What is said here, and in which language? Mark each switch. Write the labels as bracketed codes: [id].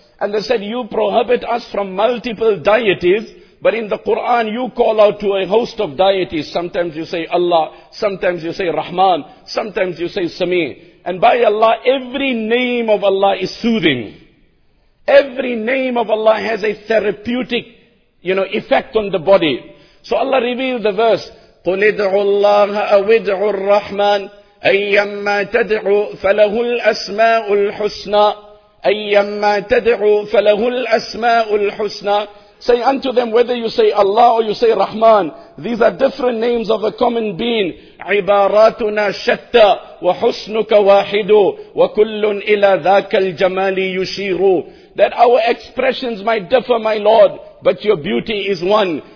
[en] And they said, "You prohibit us from multiple deities, but in the Quran you call out to a host of deities. Sometimes you say Allah, sometimes you say Rahman, sometimes you say Sami. And by Allah, every name of Allah is soothing. Every name of Allah has a therapeutic, you know, effect on the body." So Allah revealed the verse, [ar] "قُلِ ادْعُوا اللَّهَ أَوِدْعُوا الرَّحْمَنَ أَيَّمَّا تَدْعُوا فَلَهُ الْأَسْمَاءُ الْحُسْنَى أَيَّمَّا تَدْعُوا فَلَهُ الْأَسْمَاءُ الْحُسْنَى." [en] Say unto them, whether you say Allah or you say Rahman, these are different names of a common being. [ar] عِبَارَاتُنَا شَتَّى وَحُسْنُكَ وَاحِدُ وَكُلٌّ إِلَى ذَاكَ الْجَمَالِ يُشِيرُ. [en] That our expressions might differ, my Lord, but your beauty is one.